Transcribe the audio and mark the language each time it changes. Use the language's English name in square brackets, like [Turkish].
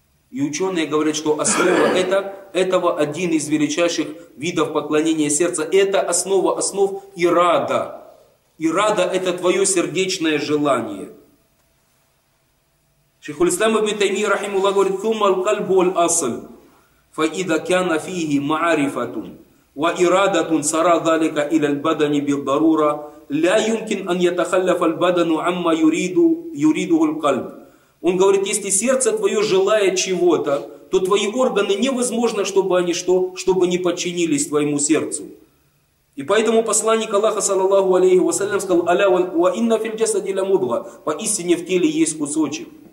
[Russian] И ученые говорят, что основа этого один из величайших видов поклонения сердца. Это основа основ — ирада. Ирада — это твое сердечное желание. Шейхуль Ислам ибн Таймия рахимахуллах говорит, [Arabic] «Тумма аль-кальбу аль-асль, фаида кяна фиихи маарифатун». وإرادة سرى ذلك إلى البدن بالضرورة لا يمكن أن يتخلف البدن عما يريده القلب. [Russian] Он говорит, если сердце твое желает чего-то, то твои органы невозможно, чтобы они что? Чтобы не подчинились твоему сердцу. И поэтому посланник Аллаха, саллаллаху алейхи ва саллям, сказал, [Arabic] «Аля ва инна фил джасади ля мудга», [Russian] поистине в теле есть кусочек.